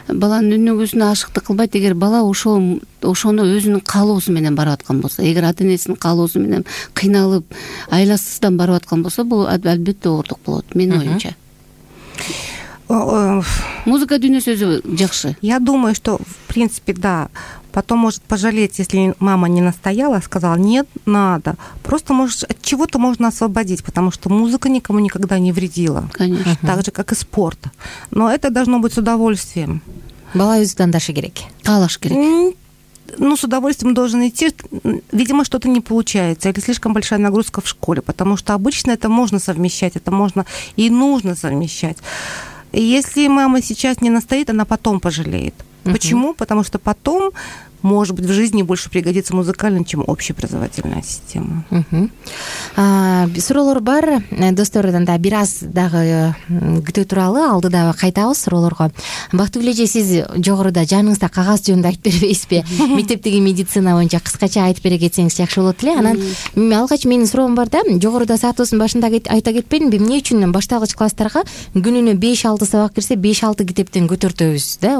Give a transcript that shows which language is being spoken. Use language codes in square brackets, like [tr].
[ky] Баланын өнүгүүсүнө ашыктык кылбайт. Эгер бала ошону өзүнүн каалоосу менен барып аткан болсо, эгер ата-энесинин каалоосу менен кыйналып, айласыздан барып аткан болсо, бул албетте оордук болот менин оюмча. Музыка дүйнөсү өзү жакшы. [ru] Я думаю, что в принципе да. Потом может пожалеть, если мама не настояла, сказала, нет, надо. Просто может, от чего-то можно освободить, потому что музыка никому никогда не вредила. Конечно. Так же, как и спорт. Но это должно быть с удовольствием. [ky] Бала өзүдөн даша керек. Калаш керек. [ru] Ну, с удовольствием должен идти. Видимо, что-то не получается. Или слишком большая нагрузка в школе. Потому что обычно это можно совмещать. Это можно и нужно совмещать. Если мама сейчас не настоит, она потом пожалеет. Почему? Потому что потом, может быть, в жизни больше пригодится музыкальная, чем общеобразовательная система. [ky] Суроолор бар, достор, да, бир аз дагы күтөт туралы, алды дагы кайтабыз суроолорго. Бактыгүл эже, сиз жогоруда жаныңызда кагаз жөнүндө айтып бербейсизби? Мектептеги медицина боюнча кыскача айтып бере кетсеңиз жакшы болот эле. Анан алгач менин суроом бар да, жогоруда саатыбыздын башында айта кетпедимби, эмне үчүн баштагыч класстарга күнүнө 5-6 сабак кирсе 5-6 китептен көтөртөбүз да?